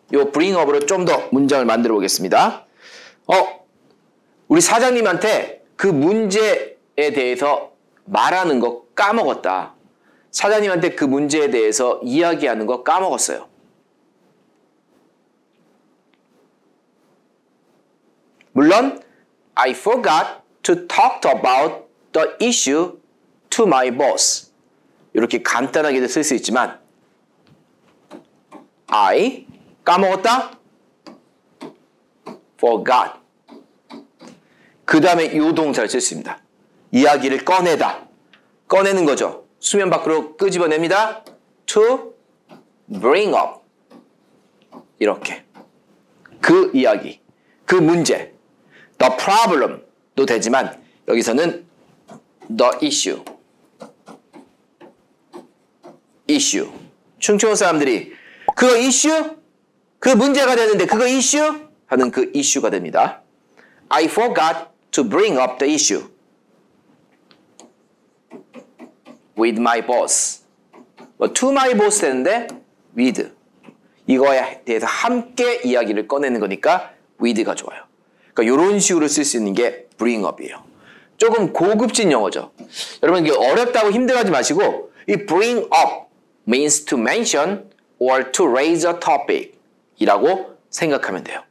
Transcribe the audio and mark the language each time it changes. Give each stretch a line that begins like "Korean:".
Korean: 요 bring up으로 좀 더 문장을 만들어 보겠습니다. 우리 사장님한테 그 문제에 대해서 말하는 거 까먹었다. 사장님한테 그 문제에 대해서 이야기하는 거 까먹었어요. 물론
English: I forgot to talk about the issue to my boss.
Korean: 이렇게 간단하게도 쓸 수 있지만 I 까먹었다?
English: forgot.
Korean: 그 다음에 이 동사를 쓸 수 있습니다. 이야기를 꺼내다. 꺼내는 거죠. 수면 밖으로 끄집어냅니다. to bring up. 이렇게. 그 이야기. 그 문제.
English: The problem도
Korean: 되지만 여기서는
English: the issue.
Korean: 충청 사람들이 그거 issue? 그 문제가 되는데 그거 issue? 하는 그 issue가 됩니다.
English: I forgot to bring up the issue with my boss. To my boss
Korean: 되는데
English: with.
Korean: 이거에 대해서 함께 이야기를 꺼내는 거니까 with가 좋아요. 그러니까 이런 식으로 쓸 수 있는 게 bring up이에요. 조금 고급진 영어죠. 여러분 이게 어렵다고 힘들어하지 마시고 이
English: bring up means to mention or to raise a topic
Korean: 이라고 생각하면 돼요.